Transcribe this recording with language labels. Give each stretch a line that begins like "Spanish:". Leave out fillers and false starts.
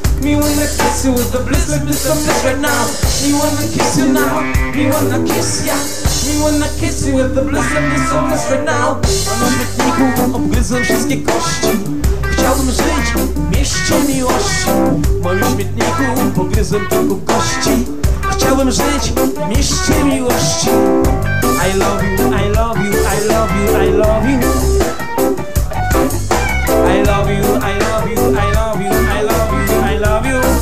English: Me wanna kiss you with the bliss, let me some bliss right now. Me wanna kiss you now, me wanna kiss ya. Me wanna kiss you with the bliss, let me some bliss right now.
Polish: Obgryzą wszystkie kości. Chciałbym żyć w mieście miłości. W moim śmietniku pogryzą tylko kości. Chciałbym żyć w mieście miłości.
English: I love you, I love you, I love you, I love you. I love you, I love you, I love you, I love you, I love you.